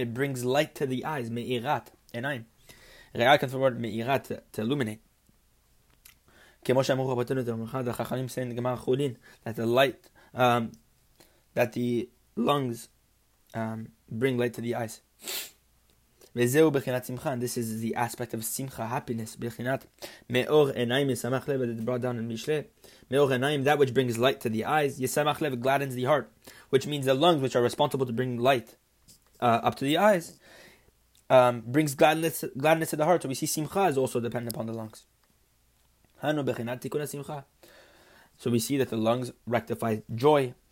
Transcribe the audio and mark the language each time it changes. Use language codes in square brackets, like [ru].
[en] It brings light to the eyes. [he] Me'irat enayim. [en] Re'ah comes from the word me'irat, to illuminate. That the lungs bring light to the eyes. [he] וזהו בחינת שמחה. [en] This is the aspect of simcha, happiness. [he] בחינת מאור עיניים ישמח לב, [en] that brought down in Mishle. [he] מאור עיניים, [en] that which brings light to the eyes. [he] ישמח לב, [en] gladdens the heart. Which means the lungs, which are responsible to bring light up to the eyes, brings gladness to the heart. So we see simcha is also dependent upon the lungs. [he] הנו בחינת תיקון השמחה. [en] So we see that the lungs rectify joy.